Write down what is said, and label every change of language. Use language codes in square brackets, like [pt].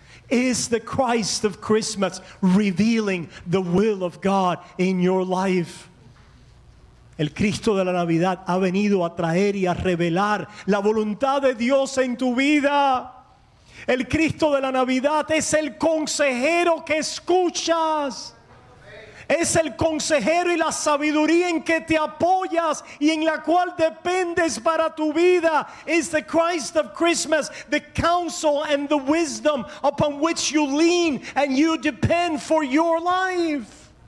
[en] Is the Christ of Christmas revealing the will of God in your life? [es] El Cristo de la Navidad ha venido a traer y a revelar la voluntad de Dios en tu vida. El Cristo de la Navidad es el consejero que escuchas. Es el consejero y la sabiduría en que te apoyas y en la cual dependes para tu vida. [en] Is the Christ of Christmas the counsel and the wisdom upon which you lean and you depend for your life?